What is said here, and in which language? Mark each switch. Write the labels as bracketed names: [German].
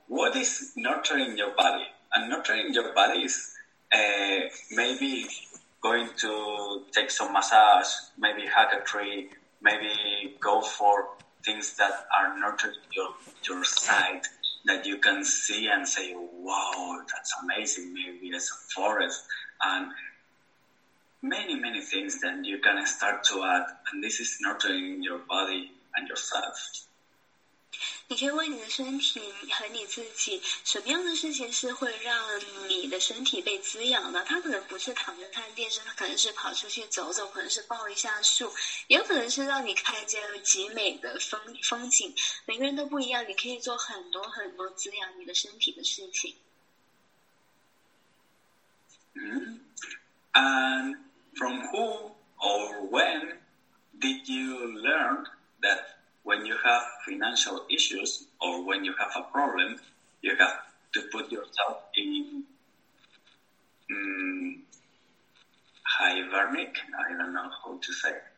[English] What is nurturing your body? And nurturing your body is maybe going to take some massage, maybe hug a tree, maybe go for things that are nurturing your side. That you can see and say, wow, that's amazing. Maybe there's a forest and many things that you can start to add. And this is nurturing your body and yourself. [Chinese] 你可以问你的身体和你自己，什么样的事情是会让你的身体被滋养的？他可能不是躺着看电视，他可能是跑出去走走，可能是抱一下树，也有可能是让你看见极美的风景。每个人都不一样，你可以做很多很多滋养你的身体的事情。 [English] And from who or when did you learn that when you have financial issues or when you have a problem, you have to put yourself in hibernic? I don't know how to say.